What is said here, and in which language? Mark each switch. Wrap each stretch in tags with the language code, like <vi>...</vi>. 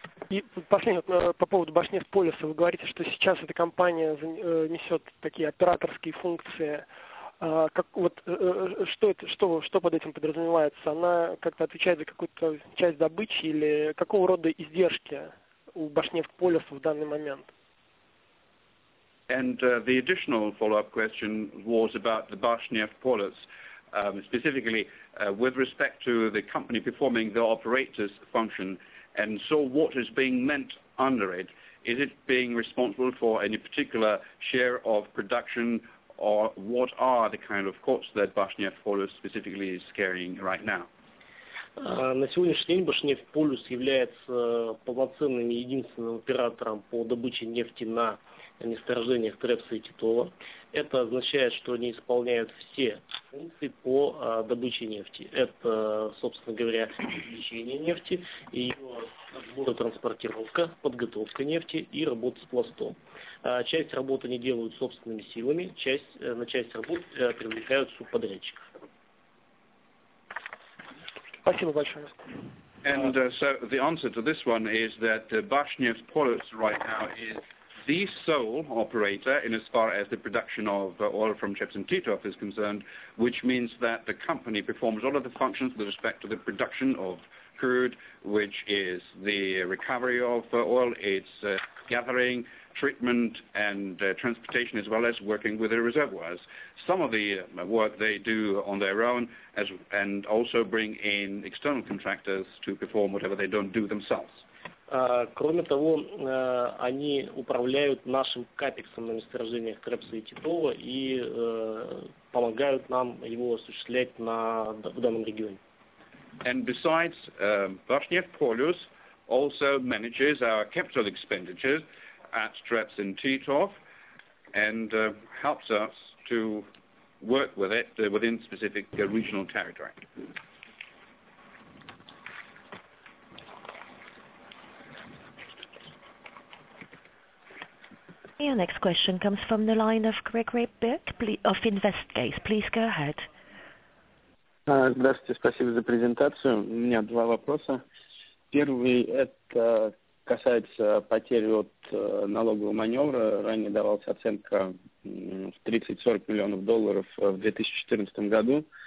<ru>И последнее, по поводу Bashneft-Polyus, вы говорите, что сейчас эта компания несет такие операторские функции. Как, вот, что, это, что, что под этим подразумевается? Она как-то отвечает за какую-то часть добычи или какого рода издержки у Bashneft-Polyus в данный момент?</ru> <en>And the additional follow-up question was about the Bashneft-Polyus, specifically with respect to the company performing the operator's function, and so what is being meant under it? Is it being responsible for any particular share of production, or what are the kind of costs that Bashneft-Polyus specifically is carrying right now?</en> <ru>На сегодняшний день Bashneft-Polyus является полноценным и единственным оператором по добыче нефти на месторождениях Трепса и Титова. Это означает, что они исполняют все функции по добыче нефти. Это, собственно говоря, извлечение нефти, ее сбор, транспортировка, подготовка нефти и работа с пластом. Часть работы они делают собственными силами, часть, на часть работ привлекают субподрядчиков. Спасибо большое.</ru> <en>And so the answer to this one is that Bashneft-Polyus right now is the sole operator in as far as the production of oil from TREPS and TTOF is concerned, which means that the company performs all of the functions with respect to the production of crude, which is the recovery of oil, its gathering, treatment and transportation, as well as working with the reservoirs. Some of the work they do on their own, as and also bring in external contractors to perform whatever they don't do themselves.</en> <ru>Кроме того, они управляют нашим капексом на месторождениях Крепса и Титова и помогают нам его осуществлять на, в данном регионе.</ru> <en>And besides, Башнефть Polyus also manages our capital expenditures at Streps and Titov and helps us to work with it within specific regional territory. Your next question comes from the line of Gregory Birk of InvestGaze. Please go ahead.</en> <ru>Здравствуйте, спасибо за презентацию. У меня два вопроса. Первый – это касается потери от налогового маневра. Ранее давалась оценка в 30-40 миллионов долларов в 2014 году.</ru>